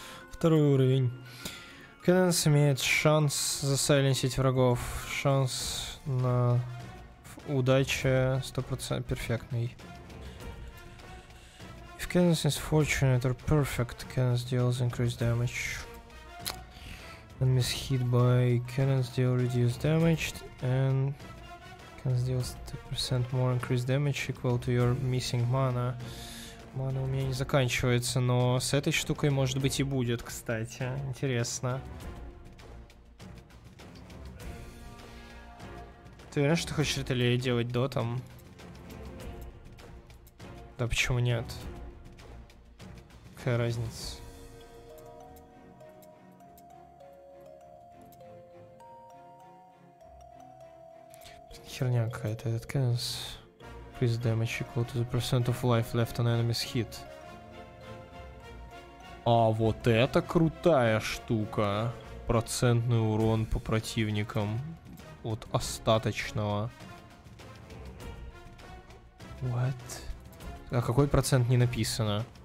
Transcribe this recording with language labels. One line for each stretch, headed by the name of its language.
Russian: Второй уровень. Кэденс имеет шанс засайленсить врагов. Шанс на удачу 100% перфектный.
English: If Кэденс is fortunate or perfect, Кэденс deals increased damage. And miss hit by Кэденс deal reduced damage. And Кэденс deals 10% more increased damage equal to your missing mana.
Russian: Мана у меня не заканчивается, но с этой штукой, может быть, и будет, кстати. Интересно. Ты уверен, что хочешь ретелей делать дотом? Да почему нет? Какая разница? Херня какая-то этот Кэнс.
English: Increase damage equal to the percent of life left on enemy's hit.
Russian: А вот это крутая штука. Процентный урон по противникам от остаточного.
English: What?
Russian: А какой процент не написано?